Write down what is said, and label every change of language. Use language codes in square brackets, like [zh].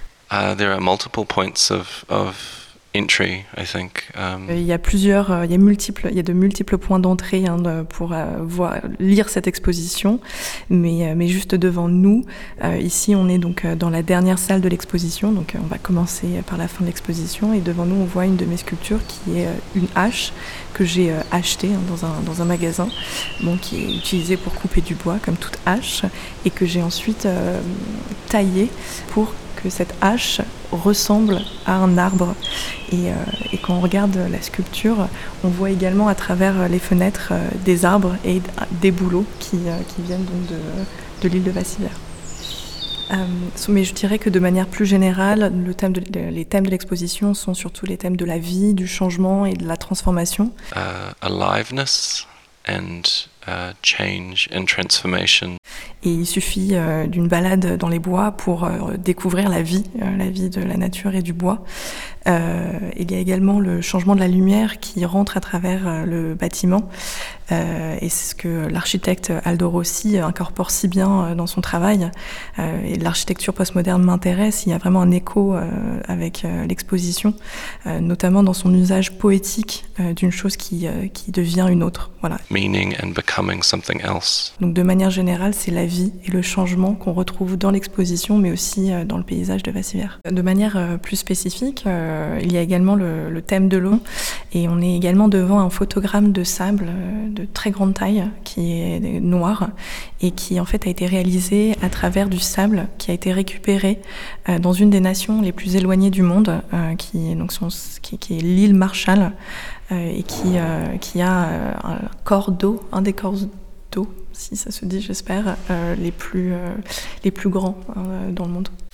[en] There are multiple points of entry, I think. [fr] Il y a de multiples points d'entrée pour lire cette exposition, mais juste devant nous, ici, on est donc dans la dernière salle de l'exposition, donc on va commencer par la fin de l'exposition, et devant nous, on voit une de mes sculptures qui est une hache que j'ai achetée dans un magasin, bon, qui est utilisée pour couper du bois, comme toute hache, et que j'ai ensuite taillée pour que cette hache ressemble à un arbre. Et quand on regarde la sculpture, on voit également à travers les fenêtres des arbres et des bouleaux qui viennent donc de l'île de Vassivière. Mais je dirais que de manière plus générale, les thèmes de l'exposition sont surtout les thèmes de la vie, du changement et de la transformation. [en] Aliveness and change and transformation. [fr] Et il suffit d'une balade dans les bois pour découvrir la vie de la nature et du bois. Il y a également le changement de la lumière qui rentre à travers le bâtiment. Et c'est ce que l'architecte Aldo Rossi incorpore si bien dans son travail. Et l'architecture postmoderne m'intéresse. Il y a vraiment un écho avec l'exposition, notamment dans son usage poétique d'une chose qui devient une autre. Voilà. [en] Meaning and becoming something else. [fr] Donc de manière générale, c'est la vie et le changement qu'on retrouve dans l'exposition, mais aussi dans le paysage de Vassivière. De manière plus spécifique, il y a également le thème de l'eau. Et on est également devant un photogramme de sable de très grande taille, qui est noir, et qui en fait a été réalisé à travers du sable qui a été récupéré dans une des nations les plus éloignées du monde, qui est l'île Marshall, et qui a un corps d'eau, un des corps d'eau, si ça se dit, j'espère, les plus grands dans le monde.